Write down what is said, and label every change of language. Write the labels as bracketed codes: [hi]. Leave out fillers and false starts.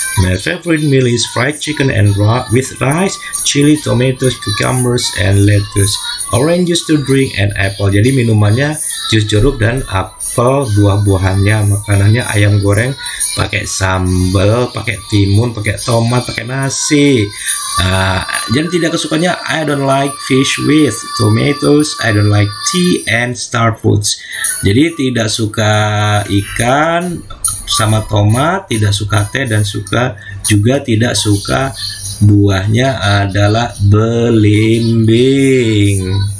[en] My favorite meal is fried chicken and with rice, chili, tomatoes, cucumbers, and lettuce. Orange juice to drink and apple. [id] Jadi minumannya jus jeruk dan apel, buah-buahannya. Makanannya ayam goreng, pakai sambal, pakai timun, pakai tomat, pakai nasi. Jadi tidak kesukanya, [en] I don't like fish with tomatoes, I don't like tea and star foods. [id] Jadi tidak suka ikan sama tomat, tidak suka teh, dan suka juga tidak suka buahnya adalah belimbing.